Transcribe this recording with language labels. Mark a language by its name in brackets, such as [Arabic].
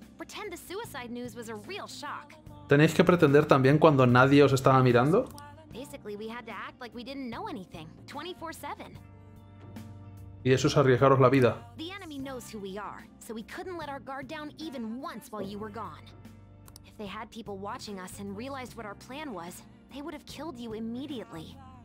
[English] Pretend the suicide news was a real shock. [Spanish] ¿Tenéis que pretender también cuando nadie os estaba mirando? [English] Basically, we had to act like we didn't know anything, 24/7. [Spanish] Y eso es arriesgaros la vida. [English] The enemy knows who we are, so we couldn't let our guard down even once while you were gone. If they had people watching us and realized what our plan was, they would have killed you immediately.